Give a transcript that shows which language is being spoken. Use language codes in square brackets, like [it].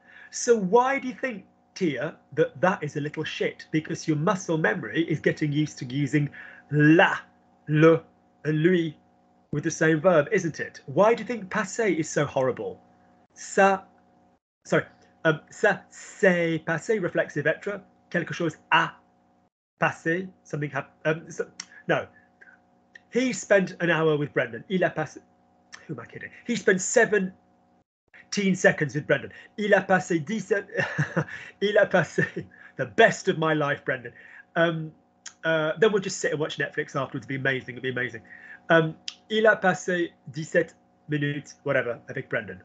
[en] So why do you think, Tia, that that is a little shit? Because your muscle memory is getting used to using la, le, and lui with the same verb, isn't it? Why do you think passé is so horrible? [fr] Ça c'est passé, reflexive etre, quelque chose a passé, [en] something happened. He spent an hour with Brendan, [fr] il a passé. [en] Who am I kidding? He spent 17 seconds with Brendan. [fr] Il a passé 17... Il a passé [en] the best of my life, [fr] Brendan. [en] Then we'll just sit and watch Netflix afterwards. It'll be amazing. [fr] Il a passé 17 minutes, [en] whatever, [fr] avec Brendan.